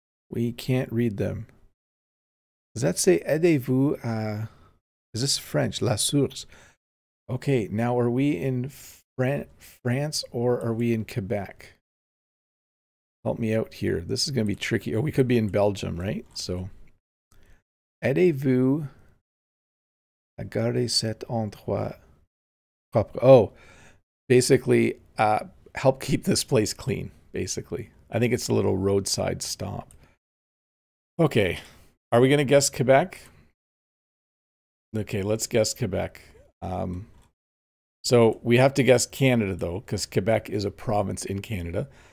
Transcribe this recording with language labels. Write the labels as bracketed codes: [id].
[en] We can't read them. Does that say "Aidez-vous"? Is this French? [fr] La source. [en] Okay, now are we in France or are we in Quebec? Help me out here. This is going to be tricky. Or we could be in Belgium, right? [fr] So, aidez-vous à garder cet endroit propre? [en] Oh, basically, help keep this place clean, basically. I think it's a little roadside stop. Okay. Are we going to guess Quebec? Okay, let's guess Quebec. So we have to guess Canada, though, because Quebec is a province in Canada.